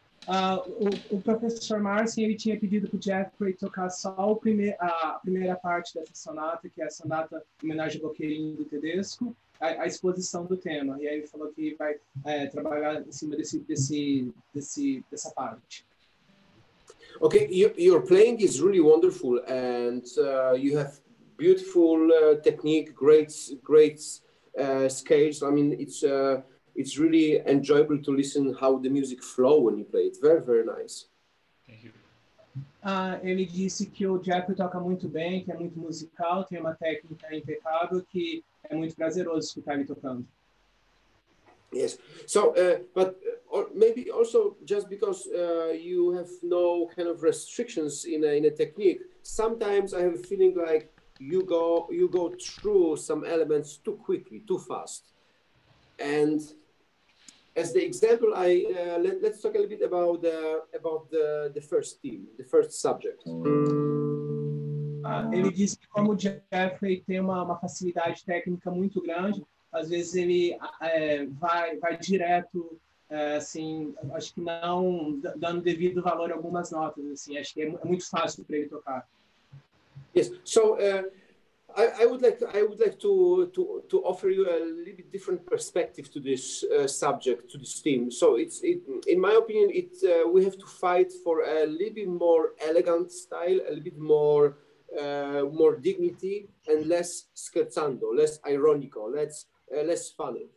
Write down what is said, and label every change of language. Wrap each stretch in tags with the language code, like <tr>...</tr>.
<pt>O professor Marcin, ele tinha pedido para o Jeffrey tocar só a primeira parte dessa sonata, que é a sonata em homenagem ao bloqueirinho do Tedesco, a exposição do tema. E aí ele falou que vai trabalhar em cima dessa parte.</pt> <en>Okay, your playing is really wonderful, and you have beautiful technique, great scales. I mean, it's really enjoyable to listen how the music flow when you play. It's very, very nice. Thank you.</en> <pt>Ele disse que o Jack toca muito bem, que é muito musical, tem uma técnica impecável, que é muito prazeroso ficar ele tocando.</pt> <en>Yes. So, but or maybe also just because you have no kind of restrictions in a technique. Sometimes I have a feeling like you go through some elements too quickly, too fast. And as the example, let's talk a little bit about the first theme, the first subject.</en> <pt>Ele disse que como o Jeffrey tem uma facilidade técnica muito grande, às vezes ele vai direto, assim, acho que não dando devido valor a algumas notas, assim, acho que é muito fácil para ele tocar.</pt> <en>Yes, so I would like to offer you a little bit different perspective to this subject, to this theme. So in my opinion, we have to fight for a little bit more elegant style, a little bit more more dignity, and less scherzando, less ironical, less funny.</en>